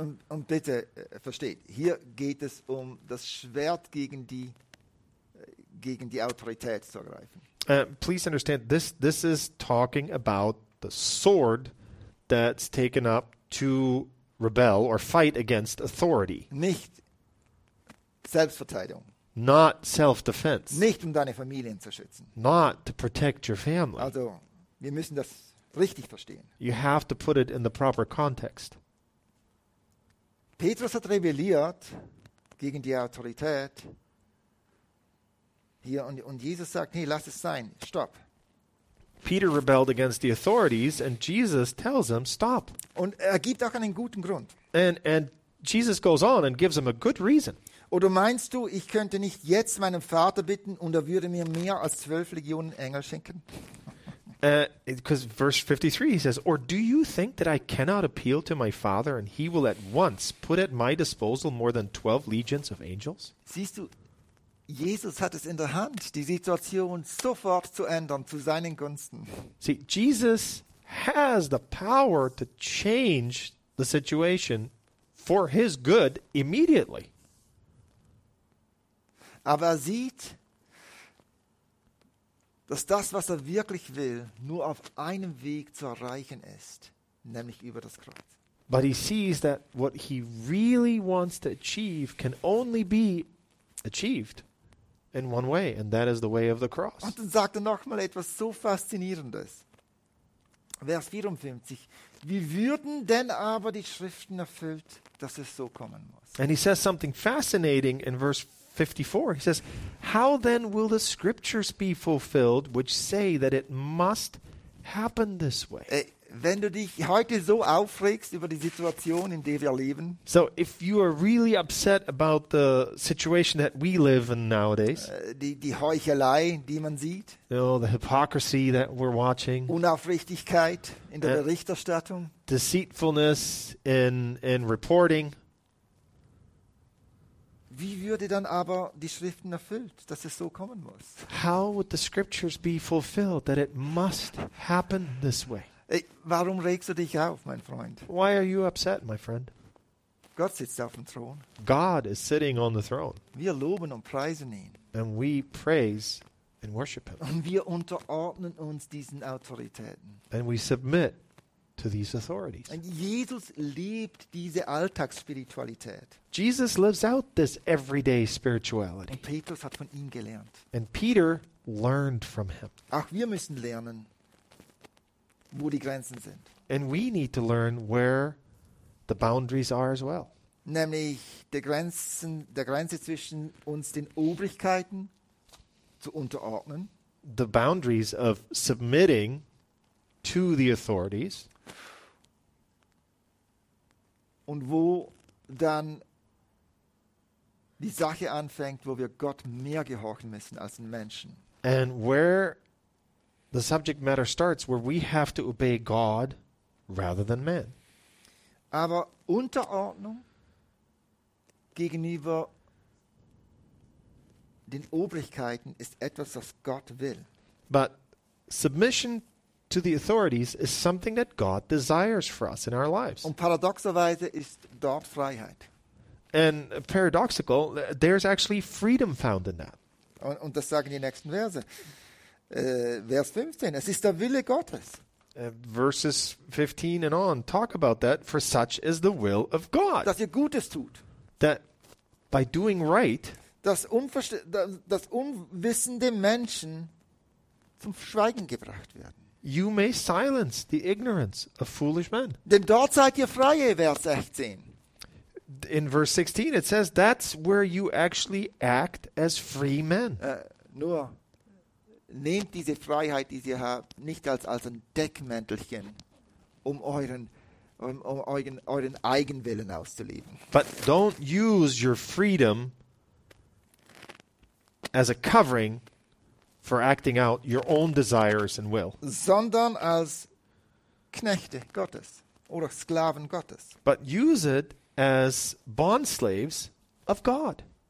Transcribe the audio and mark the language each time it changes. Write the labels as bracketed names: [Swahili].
[German] Und bitte, versteht, hier geht es um das Schwert gegen die Autorität zu ergreifen. [English] Please understand, this is talking about the sword that's taken up to rebel or fight against authority. [German] Nicht Selbstverteidigung. [English] Not self-defense. [German] Nicht um deine Familien zu schützen. [English] Not to protect your family. [German] Also, wir müssen das richtig verstehen. [English] You have to put it in the proper context. [German] Petrus hat rebelliert gegen die Autorität hier und Jesus sagt, nee, lass es sein, stopp. [English] Peter rebelled against the authorities and Jesus tells him, stop. [German] Und er gibt auch einen guten Grund. [English] And Jesus goes on and gives him a good reason. [German] Oder meinst du, ich könnte nicht jetzt meinen Vater bitten und er würde mir mehr als 12 Legionen Engel schenken? [English] Because verse 53, he says, or do you think that I cannot appeal to my Father and he will at once put at my disposal more than 12 legions of angels? [German] Siehst du, Jesus hat es in der Hand, die Situation sofort zu ändern, zu seinen Gunsten. [English] See, Jesus has the power to change the situation for his good immediately. [German] Aber er sieht, dass das, was er wirklich will, nur auf einem Weg zu erreichen ist, nämlich über das Kreuz. [English] But he sees that what he really wants to achieve can only be achieved in one way, and that is the way of the cross. [German] Und dann sagt er nochmal etwas so Faszinierendes. Vers 54. Wie würden denn aber die Schriften erfüllt, dass es so kommen muss? [English] And he says something fascinating in verse 54. He says, how then will the scriptures be fulfilled, which say that it must happen this way? [German] Wenn du dich heute so aufregst über die Situation, in der wir leben. [English] So, if you are really upset about the situation that we live in nowadays. [German] Die Heuchelei, die man sieht. [English] You know, the hypocrisy that we're watching. [German] Unaufrichtigkeit in der Berichterstattung. [English] Deceitfulness in reporting. [German] Wie würde dann aber die Schriften erfüllt, dass es so kommen muss? [English] How would the scriptures be fulfilled that it must happen this way? [German] Ey, warum regst du dich auf, mein Freund? [English] Why are you upset, my friend? [German] Gott sitzt auf dem Thron. [English] God is sitting on the throne. [German] Wir loben und preisen ihn. [English] And we praise and worship him. [German] Und wir unterordnen uns diesen Autoritäten. [English] And we submit to these authorities. [German] Und Jesus liebt diese Alltagsspiritualität. [English] Jesus lives out this everyday spirituality. [German] Und Petrus hat von ihm gelernt. [English] And Peter learned from him. [German] Auch wir müssen lernen, wo die Grenzen sind. [English] And we need to learn where the boundaries are as well. [German] Nämlich der Grenze zwischen uns den Obrigkeiten zu unterordnen. [English] The boundaries of submitting to the authorities. [German] Und wo dann die Sache anfängt, wo wir Gott mehr gehorchen müssen als den Menschen. [English] And where the subject matter starts, where we have to obey God rather than men. [German] Aber Unterordnung gegenüber den Obrigkeiten ist etwas, was Gott will. [English] But submission to the authorities is something that God desires for us in our lives. [German] Und paradoxerweise ist dort Freiheit. [English] And paradoxical, there's actually freedom found in that. [German] Und das sagen die nächsten Verse. Vers 15, es ist der Wille Gottes. [English] Verses 15 and on talk about that, for such is the will of God. [German] Dass ihr Gutes tut. [English] That by doing right, [German] dass unwissende Menschen zum Schweigen gebracht werden. [English] You may silence the ignorance of foolish men. [German] Denn dort seid ihr freie, Vers 16. [English] In verse 16 it says that's where you actually act as free men. [German] Nur nehmt diese Freiheit, die ihr habt, nicht als ein Deckmäntelchen, um euren Eigenwillen auszuleben. [English] But don't use your freedom as a covering for acting out your own desires and will. [German] Sondern als Knechte Gottes oder Sklaven Gottes. [English] But use it as bond slaves of God.